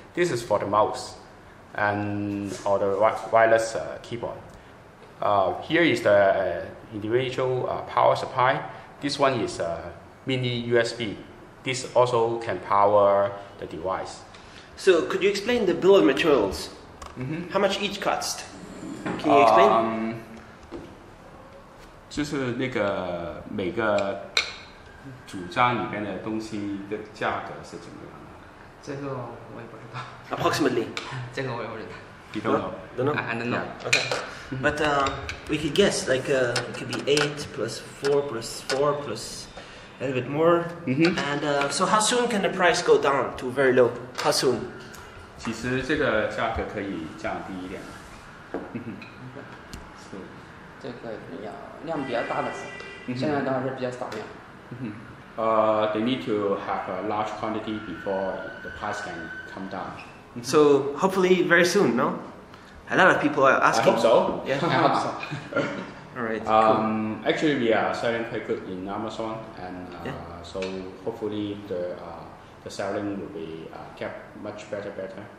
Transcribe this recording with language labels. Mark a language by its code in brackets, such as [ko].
[en] This is for the mouse and or the wireless keyboard. Here is the individual power supply. This one is a mini USB. This also can power the device. So could you explain the bill of materials? Mm-hmm. How much each costs? Can you explain? [zh] 就是那个每个主张里面的东西的价格是怎么样的？这个我也不知道。 [en] Approximately， [zh] 这个我也不知道。 [en] You don't know. Don't know. I don't know. Okay. But we could guess. Like it could be 8 plus 4 plus 4 plus a little bit more. Mm-hmm. And so how soon can the price go down to very low? How soon? [zh] 其实这个价格可以降低一点。嗯哼。这个量比较大的，现在当然是比较少量。 [en] They need to have a large quantity before the price can come down. So hopefully very soon, no? A lot of people are asking. I hope so. Yeah, I hope so. All right. Cool. Actually, we are selling quite good in Amazon, and so hopefully the selling will be kept much better.